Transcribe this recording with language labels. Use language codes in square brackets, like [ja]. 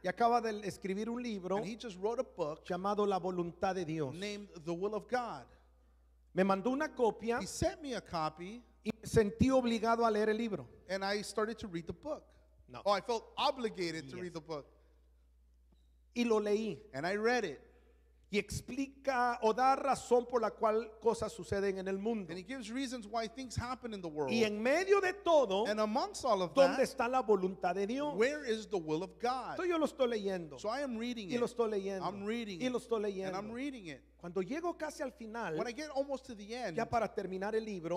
[es] Y acaba de escribir un libro, [en] and he just wrote a book [es] llamado La Voluntad de Dios, [en] named The Will of God. [es] Me mandó una copia. [en] He sent me a copy. [es] Y sentí obligado a leer el libro. [en] And I started to read the book. [es] No. [en] Oh, I felt obligated to read the book. [es] Y lo leí. [en] And I read it. [es] Y explica o da razón por la cual cosas suceden en el mundo. [en] And he gives reasons why things happen in the world. [es] Y en medio de todo, [en] and amongst all of [es] ¿dónde [en] that, [es] ¿dónde está la voluntad de Dios? [en] Where is the will of God? [es] Entonces yo lo estoy leyendo. [en] So I am reading [es] y [en] it. [es] Y lo estoy leyendo. [en] I'm reading [es] y Y lo estoy leyendo. [en] And I'm reading it. [es] Cuando llego casi al final, [en] when I get almost to the end, [es] ya para terminar el libro,